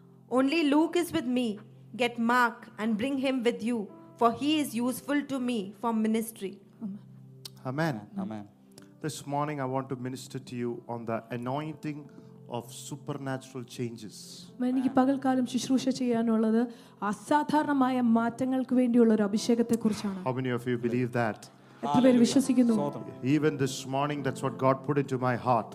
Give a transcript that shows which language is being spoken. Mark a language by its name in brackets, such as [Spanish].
[English] Only Luke is with me. Get Mark and bring him with you, for he is useful to me for ministry. Amen. Amen. This morning I want to minister to you on the anointing of supernatural changes. [Malayalam] എനിക്ക് പകൽക്കാലം ശുശ്രൂഷ ചെയ്യാനുള്ളത് അസാധാരണമായ മാറ്റങ്ങൾക്ക് വേണ്ടിയുള്ള ഒരു അഭിഷേകത്തെ കുറിച്ചാണ്. [English] How many of you believe that? Hallelujah. Even this morning, that's what God put into my heart.